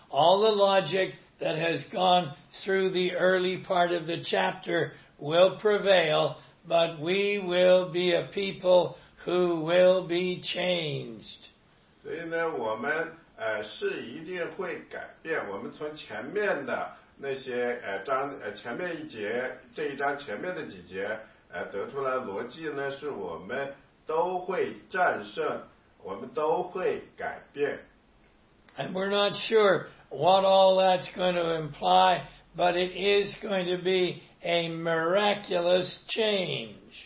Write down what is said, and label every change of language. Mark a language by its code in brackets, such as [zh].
[en] All the logic that has gone through the early part of the chapter will prevail, but we will be a people who will be changed. [zh] 所以呢,我们, 是一定会改变。我们从前面的那些,前面一节,这一章前面的几节, 得出来逻辑呢,是我们都会战胜,我们都会改变。 [en] And we're not sure what all that's going to imply, but it is going to be a miraculous change.